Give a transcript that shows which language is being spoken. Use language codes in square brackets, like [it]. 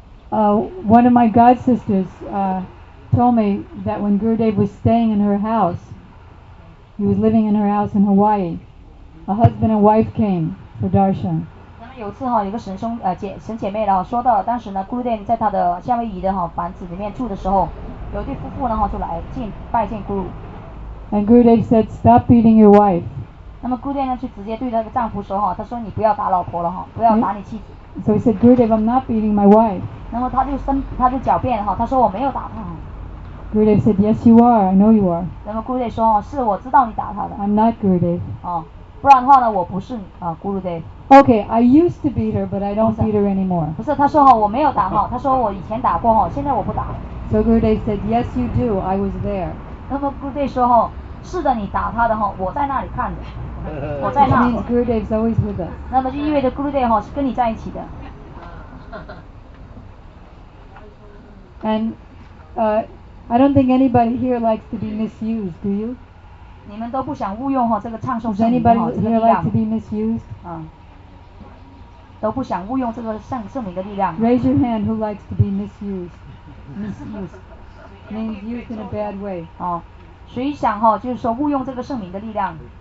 [en] One of my god sisters told me that when Gurudev was staying in her house, he was living in her house in Hawaii, a husband and wife came for darshan. [zh] 那么有次哈，有个神兄神姐妹了，说到当时呢 ，Gurudev 在他的夏威夷的哈房子里面住的时候，有对夫妇呢哈就来拜见 Guru. [en] And Gurudev said, "Stop beating your wife." [zh] 那么 Gurudev 呢就直接对那个丈夫说哈，他说你不要打老婆了哈，不要打你妻子。 [en] So he said, Gurudev, I'm not beating my wife. [zh] 然后他就狡辩哈，他说我没有打他。 [en] Gurudev said, Yes, you are. I know you are. [zh] 那么 Gurudev 说是我知道你打他的。 [en] I'm not Gurudev. [zh] 不然的话呢，我不是Gurudev. [en] Okay, I used to beat her, but I don't beat her anymore. [zh] 不是，他说哈，我没有打哈，他说我以前打过哈，现在我不打了。 [en] So Gurudev said, Yes, you do. I was there. [zh] 那么 Gurudev 说哈，是的，你打他的哈，我在那里看的。我在那。 [en] That means Gurudev is always with us. [zh] 那么就意味着 Gurudev 哈是跟你在一起的。 [en] And I don't think anybody here likes to be misused, do you? [zh] 你们都不想误用哈这个唱诵圣名的力量。 [en] Does anybody here like to be misused? [zh] 都不想误用这个圣名的力量。 [en] Raise your hand who likes to be misused. Misused means used in a bad way. [zh] 谁想哈就是说误用这个圣名的力量？